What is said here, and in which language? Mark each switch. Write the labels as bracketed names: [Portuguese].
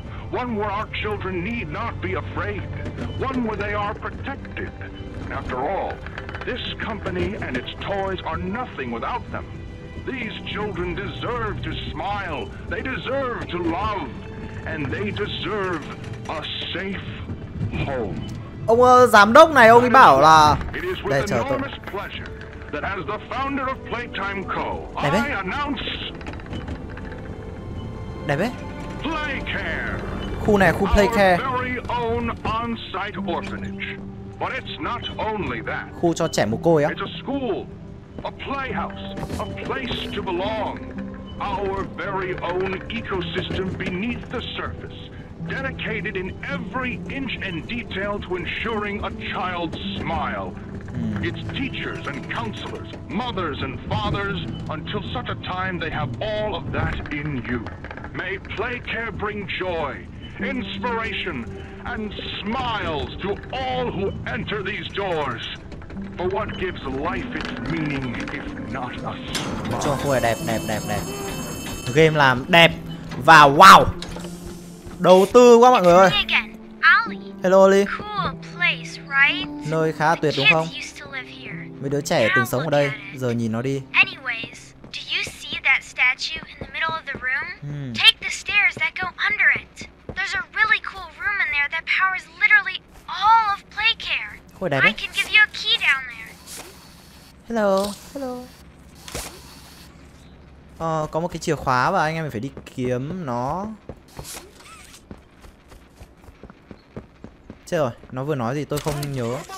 [English] One where our children need not be afraid. One where they are protected. After all, this company and its toys are nothing without them. These children deserve to smile, they deserve to love, and they deserve a safe home. [Vietnamese] Ông giám đốc này, ông ấy bảo là... [English] It is with enormous pleasure that as the founder of Playtime Co., I announce... [Vietnamese] Đẹp ấy. Playcare. Khu này, khu Playcare. [English] Our very own on-site orphanage. But it's not only that. [Vietnamese] Khu cho trẻ mồ côi á. [English] It's a school, a playhouse, a place to belong. Our very own ecosystem beneath the surface, dedicated in every inch and detail to ensuring a child's smile. It's teachers and counselors, mothers and fathers, until such a time they have all of that in you. May Playcare bring joy, inspiration, and smiles to all who enter these doors. For what gives life its meaning if not a smile? [Vietnamese] Chua khu này đẹp, đẹp, đẹp, đẹp. Game làm đẹp và wow. Đầu tư quá mọi người ơi. Hello Ollie. [English] Cool place, right? [Vietnamese] Nơi khá tuyệt đúng không? Mấy đứa trẻ từng sống ở đây, giờ nhìn nó đi. [English] Anyways, do you see that statue in the middle of the room? Take the stairs that go under it. There's a really cool room in there that powers literally all of Playcare. [Vietnamese] Khôi đẹp đấy. [English] I can give you a key down there. Hello. Hello. [Vietnamese] Có một cái chìa khóa và anh em phải đi kiếm nó. Chết rồi, nó vừa nói gì tôi không nhớ.